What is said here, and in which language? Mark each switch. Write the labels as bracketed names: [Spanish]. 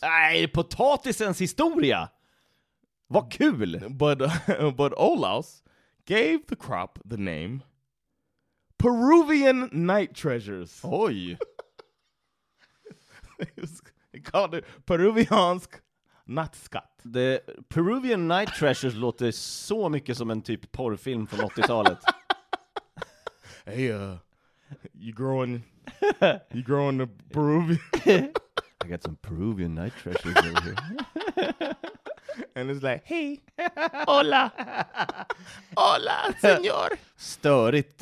[Swedish] Ay, potatisens historia. Vad kul. [English] But Olaus gave the crop the name Peruvian Night Treasures. Oy. He called it Peruviansk Nattskatt. [Swedish] The Peruvian Night Treasures låter så mycket som en typ porrfilm från 80-talet. [English] Hey, you growing the Peruvian? I got some Peruvian Night Treasures over here. And it's like, hey, [Spanish] hola, hola, señor. [Swedish] Störigt.